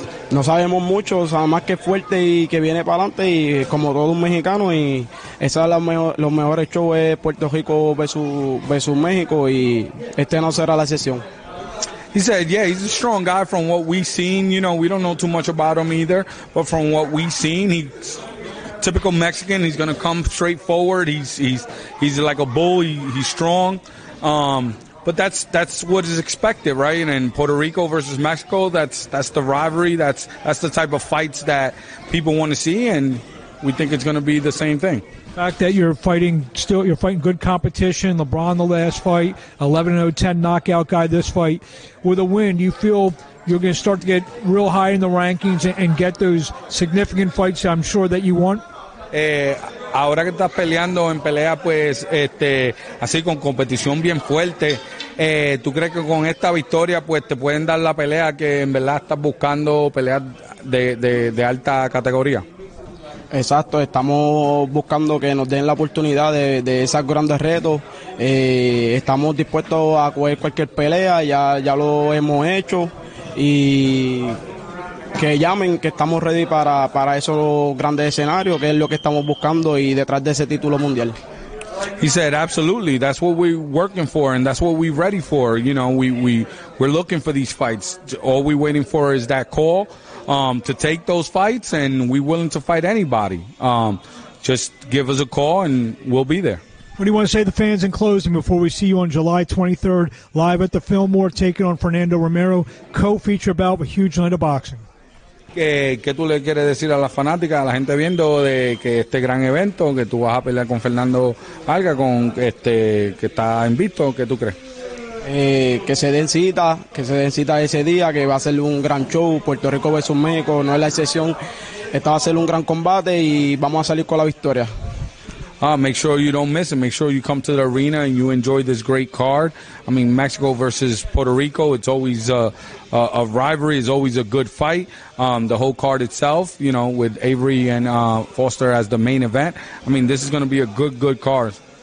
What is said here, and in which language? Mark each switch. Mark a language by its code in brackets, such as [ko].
[es] No sabemos mucho, o sea, más que fuerte y que viene para adelante, y como todo un mexicano, y esa es los mejores shows es Puerto Rico versus México, y este no será la excepción. [en] He said, yeah, he's a strong guy from what we've seen. You know, we don't know too much about him either, but from what we've seen, he's typical Mexican. He's going to come straight forward. He's like a bull. He's strong. But that's what is expected, right? And Puerto Rico versus Mexico, that's the rivalry. That's the type of fights that people want to see, and we think it's going to be the same thing. The fact that you're fighting good competition, LeBron the last fight, 11-0, 10 knockout guy this fight, with a win, you feel you're going to start to get real high in the rankings and get those significant fights I'm sure that you want? [es] Ahora que estás peleando en pelea, pues, así con competición bien fuerte, ¿tú crees que con esta victoria, pues, te pueden dar la pelea que en verdad estás buscando, pelear de alta categoría? Exacto, estamos buscando que nos den la oportunidad de esos grandes retos. Estamos dispuestos a coger cualquier pelea, ya lo hemos hecho, y que llamen, que estamos ready para esos grandes escenarios, que es lo que estamos buscando, y detrás de ese título mundial. [en] He said, absolutely, that's what we're working for, and that's what we're ready for. You know, we're looking for these fights. All we're waiting for is that call to take those fights, and we're willing to fight anybody. Just give us a call, and we'll be there. What do you want to say to the fans in closing before we see you on July 23rd, live at the Fillmore, taking on Fernando Romero, co-feature bout with Huge Night of Boxing? [es] ¿Qué tú le quieres decir a las fanáticas, a la gente viendo de que este gran evento, que tú vas a pelear con Fernando Alga, que está invicto, qué tú crees? Que se den cita ese día, que va a ser un gran show, Puerto Rico versus México, no es la excepción, esta va a ser un gran combate y vamos a salir con la victoria. [en] Make sure you don't miss it. Make sure you come to the arena and you enjoy this great card. I mean, Mexico versus Puerto Rico, it's always a rivalry. It's always a good fight. The whole card itself, you know, with Avery and Foster as the main event. I mean, this is going to be a good card.